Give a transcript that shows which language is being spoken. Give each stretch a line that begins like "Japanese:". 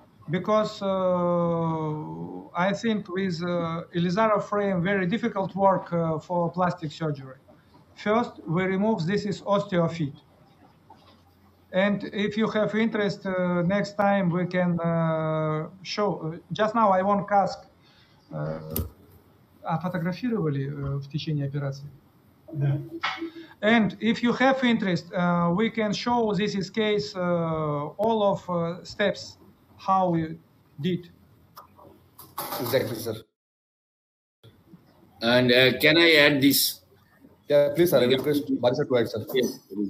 English: Because I think with Ilizarov frame, very difficult work for plastic surgery. First, we remove, this is osteofit. And if you have interest, next time we can show. Just now I won't ask.
Russian: Фотографировали в течение операции? Да.
English: And if you have interest, we can show this is case, all of steps, how we did. Exactly, sir. And can I add this? Yes,